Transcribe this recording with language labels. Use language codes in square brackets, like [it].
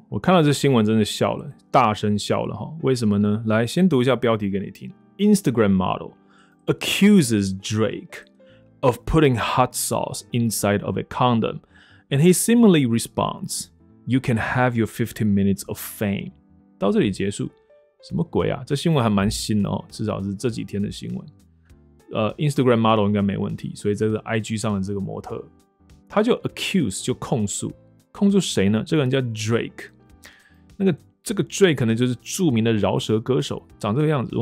[zh] 我看到这新闻真的笑了，大声笑了哈。为什么呢？来，先读一下标题给你听。 [en] Instagram model accuses Drake of putting hot sauce inside of a condom, and he similarly responds, "You can have your 15 minutes of fame." [zh] 到这里结束，什么鬼啊？这新闻还蛮新的哦，至少是这几天的新闻。 Instagram model 应该没问题，所以这是 IG 上的这个模特，他就 accuse 就控诉。控诉谁呢？这个人叫 Drake， 那个这个 Drake 可能就是著名的饶舌歌手，长这个样子。